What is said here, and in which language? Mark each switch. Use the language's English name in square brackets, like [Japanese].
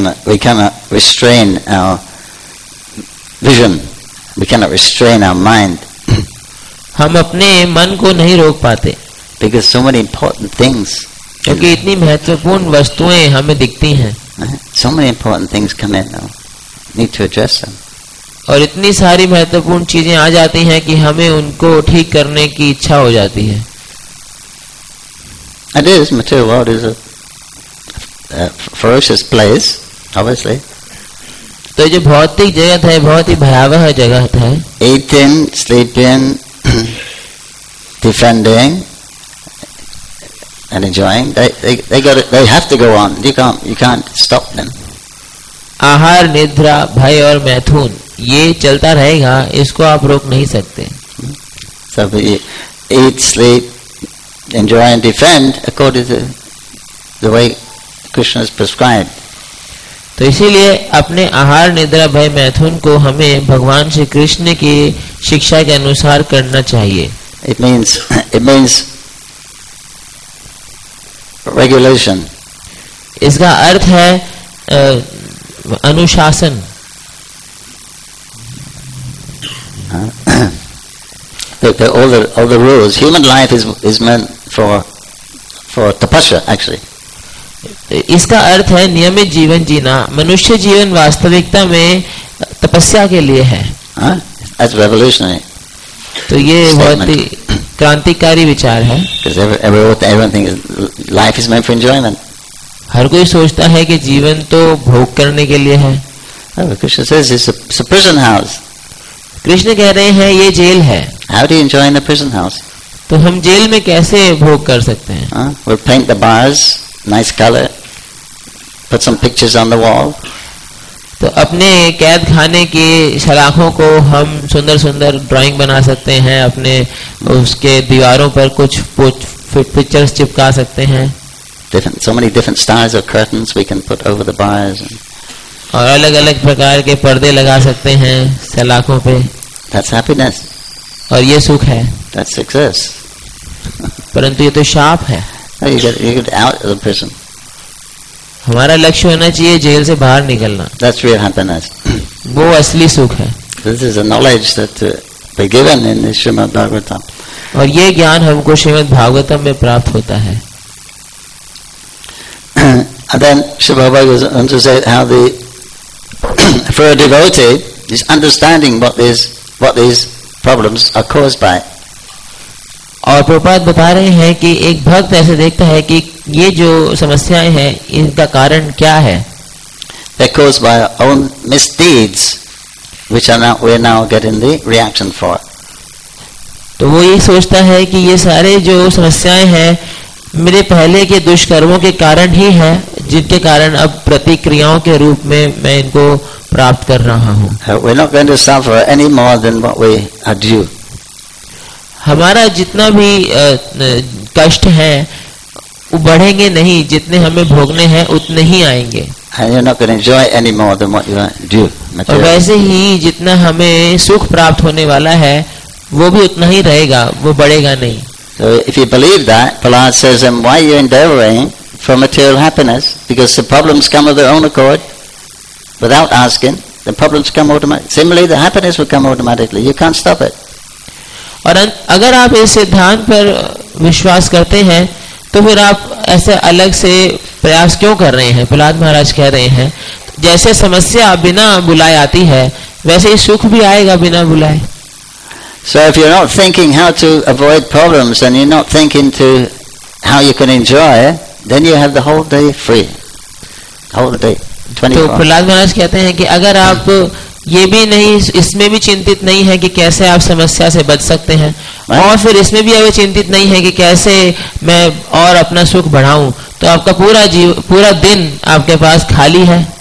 [English] We cannot restrain our vision. We cannot restrain our mind. [Hindi] हम अपने मन को नहीं रोक पाते. [English] Because so many important things. [Hindi] क्योंकि इतनी महत्वपूर्ण वस्तुएं हमें दिखती हैं. [English] So many important things come in now. Need to address them. [Hindi] और इतनी सारी महत्वपूर्ण चीजें आ जाती हैं कि हमें उनको ठीक करने की इच्छा हो जाती है. [English] It is material world is a ferocious place, obviously. [Hindi] तो ये भौतिक जगत है, बहुत ही भयावह जगत है. [English] Eating, sleeping, defending, and enjoying. They have to go on. You can't stop them. [Hindi] आहार, निद्रा, भय और मैथुन, ये चलता रहेगा, इसको आप रोक नहीं सकते. सब [English] eat, sleep, enjoy and defend according to the way Krishna has prescribed. [Hindi] तो इसीलिए अपने आहार, निद्रा, भय, मैथुन को हमें भगवान श्री कृष्ण की शिक्षा के अनुसार करना चाहिए. [English] It means regulation. [Hindi] इसका अर्थ है अनुशासन. [English] Look, all the rules. Human life is meant for tapasya, actually. [Hindi] इसका अर्थ है नियमित जीवन जीना. मनुष्य जीवन वास्तविकता में तपस्या के लिए है. [English] As revolutionary. [Hindi] तो ये बहुत ही क्रांतिकारी विचार है. [English] Everything is life is meant for enjoyment. [Hindi] हर कोई सोचता है कि जीवन तो भोग करने के लिए है. [English] Krishna says it's a prison house. [Hindi] Krishna कह रहे हैं ये जेल है. [English] How do you enjoy in a prison house? [Hindi] तो हम जेल में कैसे भोग कर सकते हैं? [English] We'll paint the bars nice color, put some pictures on the wall. [Hindi] तो अपने कैद खाने की सलाखों को हम सुंदर सुंदर ड्राइंग बना सकते हैं, अपने उसके दीवारों पर कुछ पिक्चर्स चिपका सकते हैं. [English] Different, so many different styles of curtains we can put over the bars. [Hindi] और अलग अलग प्रकार के पर्दे लगा सकते हैं सलाखों पे. [English] That's happiness. [Hindi] और ये सुख है. [English] That's success. [Hindi] परंतु ये तो शाप है. [English] You get out of the prison. [Hindi] हमारा लक्ष्य होना चाहिए जेल से बाहर निकलना. [English] That's real happiness. [Hindi] वो असली सुख है. [English] This is a knowledge that we're given in the Srimad Bhagavatam. [Hindi] और ये ज्ञान हमको श्रीमद् भागवतम में प्राप्त होता है. [English] And then Srila Prabhupada goes on to say how the for a devotee is understanding what these problems are caused by. [Hindi] और प्रभुपाद बता रहे हैं कि एक भक्त ऐसे देखता है कि ये जो समस्याएं हैं इनका कारण क्या है. [English] They're caused by our own misdeeds, which are now we're now getting the reaction for. [Hindi] तो वो ये सोचता है कि ये सारे जो समस्याएं हैं मेरे पहले के दुष्कर्मों के कारण ही है, जिनके कारण अब प्रतिक्रियाओं के रूप में मैं इनको प्राप्त कर रहा हूँ. [English] We're not going to suffer any more than what we are due. [Hindi] हमारा जितना भी कष्ट है वो बढ़ेंगे नहीं, जितने हमें भोगने हैं उतने ही आएंगे. [English] And you're not going to enjoy any more than what you are due. [Hindi] और वैसे ही जितना हमें सुख प्राप्त होने वाला है वो भी उतना ही रहेगा, वो बढ़ेगा नहीं. [English] So if you believe that, Prahlad says, then why are you endeavoring for material happiness? Because the problems come of their own accord, without asking. The problems come automatically. Similarly, the happiness will come automatically. You can't stop it. [Hindi] और अगर आप इस सिद्धांत पर विश्वास करते हैं तो फिर आप ऐसे अलग से प्रयास क्यों कर रहे हैं? प्रहलाद महाराज कह रहे हैं, जैसे समस्या बिना बुलाए आती है, वैसे ही सुख भी आएगा बिना बुलाए। [English] So if you're not thinking how to avoid problems and you're not thinking to how you can enjoy, then you have the whole day free. Whole day, 24. [Hindi] तो प्रहलाद महाराज कहते हैं कि अगर आप ये भी नहीं, इसमें भी चिंतित नहीं है कि कैसे आप समस्या से बच सकते हैं, और फिर इसमें भी अगर चिंतित नहीं है कि कैसे मैं और अपना सुख बढ़ाऊं, तो आपका पूरा जीव, पूरा दिन आपके पास खाली है।